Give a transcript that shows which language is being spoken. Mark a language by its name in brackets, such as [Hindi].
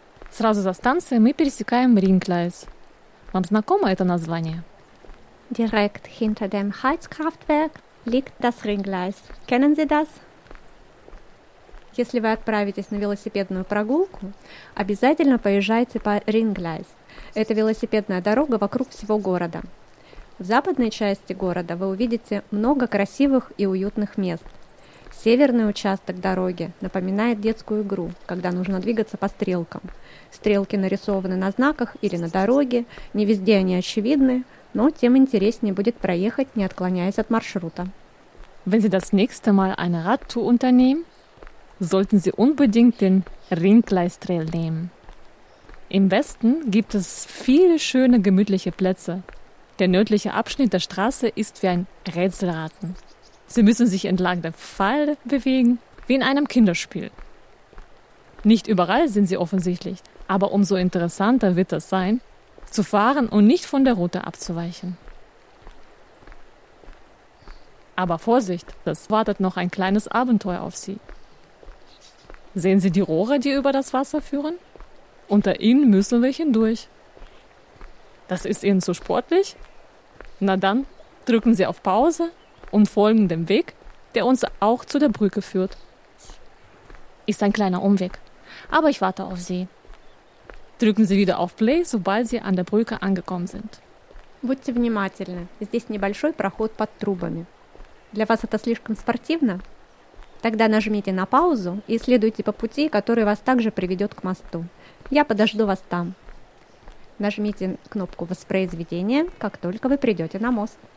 [Russian] Сразу за станцией мы пересекаем Ринглайс. Вам знакомо это название? [German] Direkt hinter dem Heizkraftwerk liegt das Ringgleis. Kennen Sie das? [Russian] Если вы отправитесь на велосипедную прогулку, обязательно поезжайте по Рингляйс. Это велосипедная дорога вокруг всего города. В западной части города вы увидите много красивых и уютных мест. Северный участок дороги напоминает детскую игру, когда нужно двигаться по стрелкам. Стрелки нарисованы на знаках или на дороге, не везде они очевидны, но тем интереснее будет проехать, не отклоняясь от маршрута. [German] Wenn Sie das nächste Mal eine Radtour unternehmen, sollten Sie unbedingt den Ringgleistrail nehmen. Im Westen gibt es viele schöne, gemütliche Plätze. Der nördliche Abschnitt der Straße ist wie ein Rätselraten. Sie müssen sich entlang der Pfeile bewegen, wie in einem Kinderspiel. Nicht überall sind sie offensichtlich, aber umso interessanter wird es sein, zu fahren und nicht von der Route abzuweichen. Aber Vorsicht, es wartet noch ein kleines Abenteuer auf Sie. Sehen Sie die Rohre, die über das Wasser führen? Unter ihnen müssen wir hindurch. Das ist Ihnen zu sportlich? Na dann, drücken Sie auf Pause und folgen dem Weg, der uns auch zu der Brücke führt. Ist ein kleiner Umweg, aber ich warte auf Sie. Drücken Sie wieder auf Play, sobald Sie an der Brücke angekommen sind. [Russian] Будьте внимательны. Здесь небольшой проход под трубами. Для вас это слишком спортивно? Тогда нажмите на паузу и следуйте по пути, который вас также приведет к мосту. Я подожду вас там. Нажмите кнопку воспроизведения, как только вы придете на мост.